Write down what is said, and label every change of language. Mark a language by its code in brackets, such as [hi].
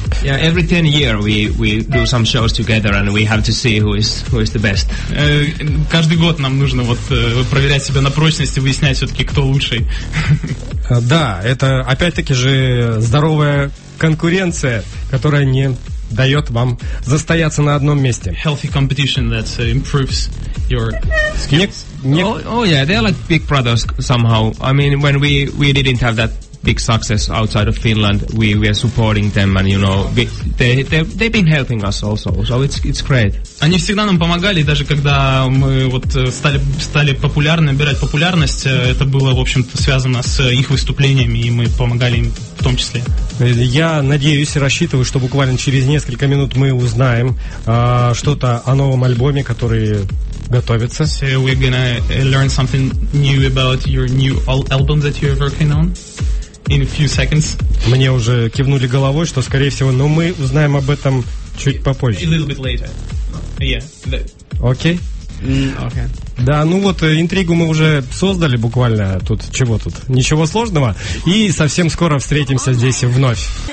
[en] Yeah, every 10 years we do some shows together and we have to see who is the best. [ru] Каждый год нам нужно вот проверять себя на прочность и выяснять все-таки, кто лучший. Да, это опять-таки же здоровая конкуренция, которая не дает вам застояться на одном месте. [en] Healthy competition that improves your skills. Oh yeah, they're like big brothers somehow. I mean, when we didn't have that big success outside of Finland, we are supporting them, and you know they've been helping us also, so it's great. [ru] Они всегда нам помогали, даже когда мы вот стали популярны, набирать популярность, это было, в общем-то, связано с их выступлениями, и мы помогали им в том числе. Я надеюсь и рассчитываю, что буквально через несколько минут мы узнаем что-то о новом альбоме, который готовится. [en] So we're gonna learn something new about your new album that you're working on. In a few seconds. [ru] Мне уже кивнули головой, что, скорее всего, но мы узнаем об этом чуть попозже. [en] A little bit later. Yeah. Okay. [ru] Да, ну вот интригу мы уже создали буквально тут. Чего тут? Ничего сложного. И совсем скоро встретимся здесь вновь.